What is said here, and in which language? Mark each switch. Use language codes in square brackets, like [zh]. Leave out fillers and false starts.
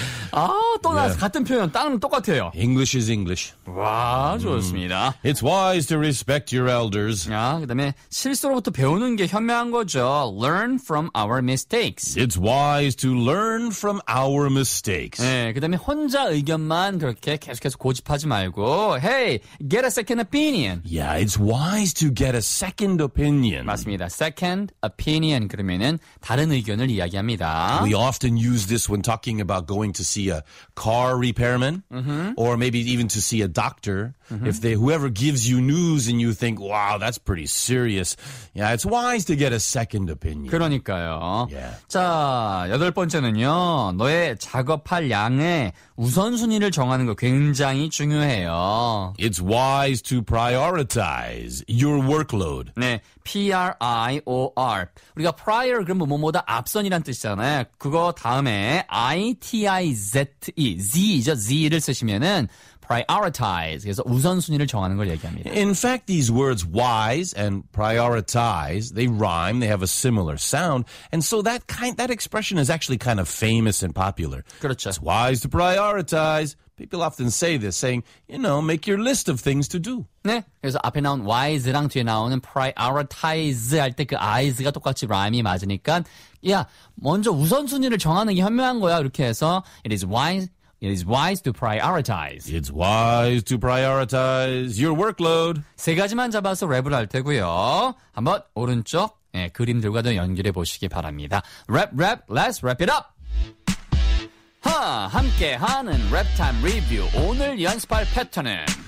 [ko] 아, 또 나 같은 표현 딱 똑같아요. [en] English is English. [ko] 와, 좋습니다. [en] It's wise to respect your elders. [ko] 아, 그다음에 실수로부터 배우는 게 현명한 거죠. [en] Learn from our mistakes. It's wise to learn from our mistakes. [ko] 네, 그다음에 혼자 의견만 그렇게 계속해서 고집하지 말고 [en] hey, get a second opinion. Yeah, it's wise to get a second opinion. [ko] 맞습니다. Second opinion 그러면은 다른 의견을 이야기합니다. [en] We often use this when talking about going to see a car repairman or maybe even to see a doctor if they whoever gives you news and you think wow that's pretty serious yeah it's wise to get a second opinion [ko] 그러니까요 [en] yeah. [ko] 자 여덟 번째는요 너의 작업할 양의 우선순위를 정하는 거 굉장히 중요해요 [en] it's wise to prioritize your workload [ko] 네 P-R-I-O-R 우리가 prior 그러면 뭐뭐다 앞선이란 뜻이잖아요 그거 다음에 I-T-I-Z-E Z죠 Z를 쓰시면은 prioritize 그래서 우선순위를 정하는 걸 얘기합니다 [en] In fact these words wise and prioritize they rhyme they have a similar sound and so that kind that expression is actually kind of famous and popular [ko] 그렇죠 [en] It's wise to prioritize People often say this, saying, you know, make your list of things to do. [ko] 네, 그래서 앞에 나온 wise랑 뒤에 나오는 prioritize 할 때 그 eyes가 똑같이 rhyme이 맞으니까 야, 먼저 우선순위를 정하는 게 현명한 거야, 이렇게 해서 [en] It is wise to prioritize. It's wise to prioritize your workload. [ko] 세 가지만 잡아서 랩을 할 테고요. 한번 오른쪽 네, 그림들과도 연결해 보시기 바랍니다. [en] Rap, let's wrap it up! [ko] 함께하는 랩타임 리뷰 오늘 연습할 패턴은